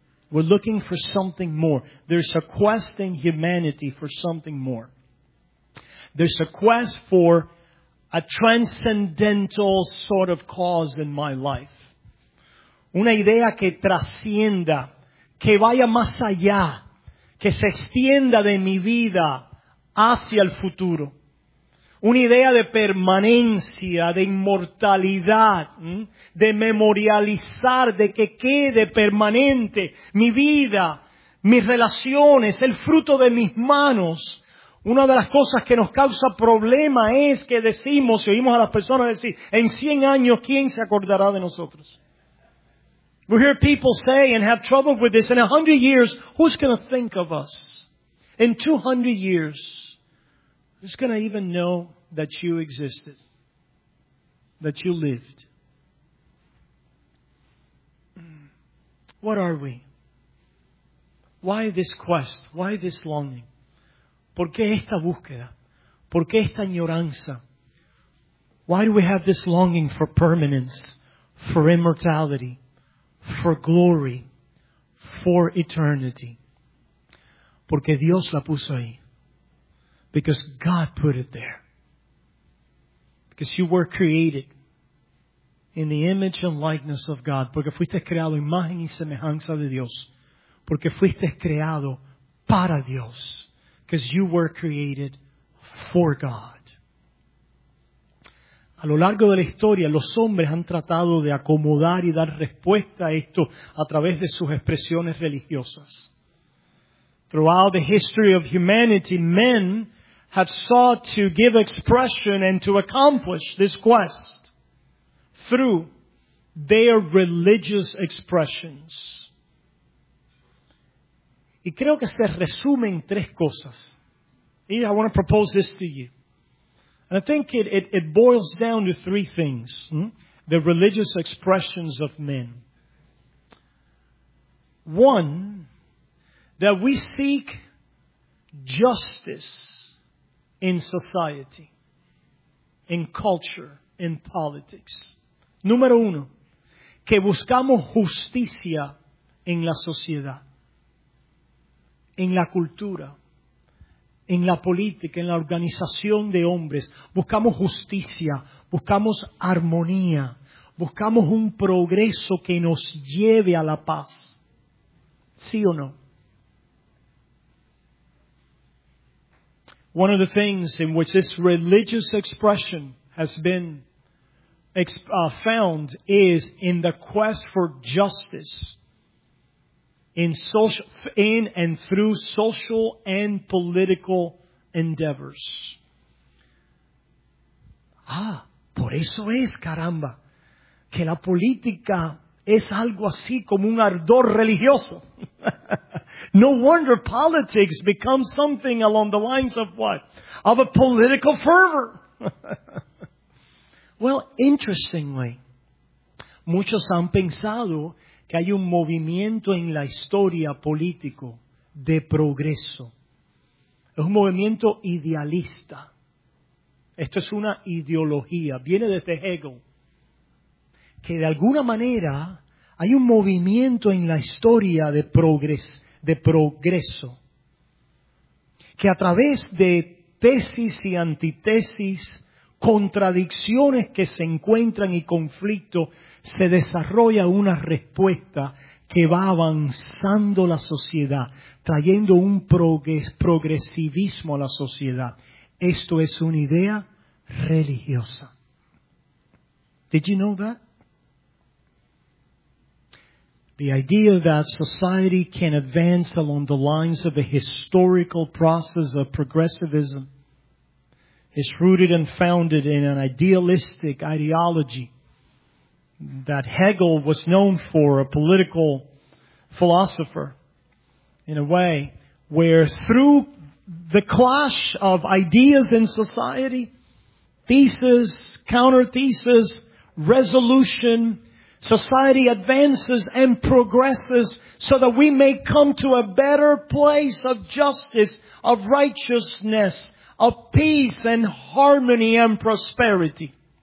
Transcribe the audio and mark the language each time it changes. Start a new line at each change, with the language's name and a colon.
English: We're looking for something more. There's a quest in humanity for something more. There's a quest for a transcendental sort of cause in my life.
Spanish: Una idea que trascienda, que vaya más allá, que se extienda de mi vida hacia el futuro. Una idea de permanencia, de inmortalidad, de memorializar, de que quede permanente mi vida, mis relaciones, el fruto de mis manos. Una de las cosas que nos causa problema es que decimos, y oímos a las personas decir, en 100 años, ¿quién se acordará de nosotros?
English: We hear people say and have trouble with this, in 100 years, who's going to think of us? In 200 years, who's going to even know that you existed? That you lived? What are we? Why this quest? Why this longing?
Spanish: ¿Por qué esta búsqueda? ¿Por qué esta añoranza?
English: Why do we have this longing for permanence, for immortality, for glory, for eternity?
Spanish: Porque Dios la puso ahí.
English: Because God put it there. Because you were created in the image and likeness of God.
Spanish: Porque fuiste creado imagen y semejanza de Dios. Porque fuiste creado para Dios.
English: Because you were created for God.
Spanish: A lo largo de la historia, los hombres han tratado de acomodar y dar respuesta a esto a través de sus expresiones religiosas.
English: Throughout the history of humanity, men have sought to give expression and to accomplish this quest through their religious expressions.
Spanish: Y creo que se resume en tres cosas.
English: I want to propose this to you. And I think it boils down to three things. The religious expressions of men. One, that we seek justice in society, in culture, in politics.
Spanish: Número uno, que buscamos justicia en la sociedad, en la cultura, en la política, en la organización de hombres. Buscamos justicia, buscamos armonía, buscamos un progreso que nos lleve a la paz. ¿Sí o no?
English: One of the things in which this religious expression has been found is in the quest for justice. In and through social and political endeavors.
Spanish: Ah, por eso es, caramba, que la política es algo así como un ardor religioso.
English: No wonder politics becomes something along the lines of what? Of a political fervor. Well, interestingly,
Spanish: muchos han pensado que hay un movimiento en la historia político de progreso. Es un movimiento idealista. Esto es una ideología. Viene desde Hegel. Que de alguna manera hay un movimiento en la historia de progreso. Que a través de tesis y antitesis, contradicciones que se encuentran y conflicto, se desarrolla una respuesta que va avanzando la sociedad, trayendo un progresivismo a la sociedad. Esto es una idea religiosa.
English: Did you know that? The idea that society can advance along the lines of a historical process of progressivism is rooted and founded in an idealistic ideology that Hegel was known for, a political philosopher, in a way, where through the clash of ideas in society, thesis, counter-thesis, resolution, society advances and progresses so that we may come to a better place of justice, of righteousness, of peace and harmony and prosperity.